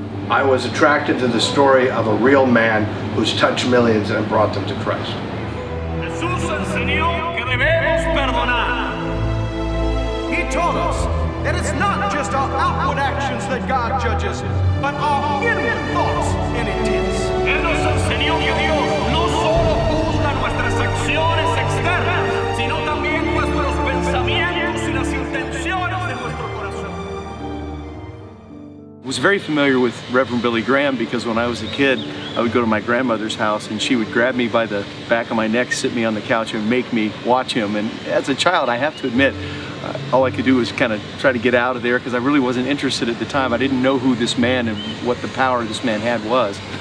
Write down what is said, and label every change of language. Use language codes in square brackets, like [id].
[en] I was attracted to the story of a real man who's touched millions and brought them to Christ. [es] Jesús enseñó que debemos perdonar. [en] He taught us that it's not just our outward actions that God judges, but our inward thoughts and intents. [es] Él nos enseñó que Dios no solo juzga nuestras acciones externas, sino también nuestros pensamientos y las intenciones de nuestro corazón. [en] I was very familiar with Reverend Billy Graham because when I was a kid, I would go to my grandmother's house and she would grab me by the back of my neck, sit me on the couch and make me watch him. And as a child, I have to admit, all I could do was kind of try to get out of there because I really wasn't interested at the time. I didn't know who this man and what the power this man had was.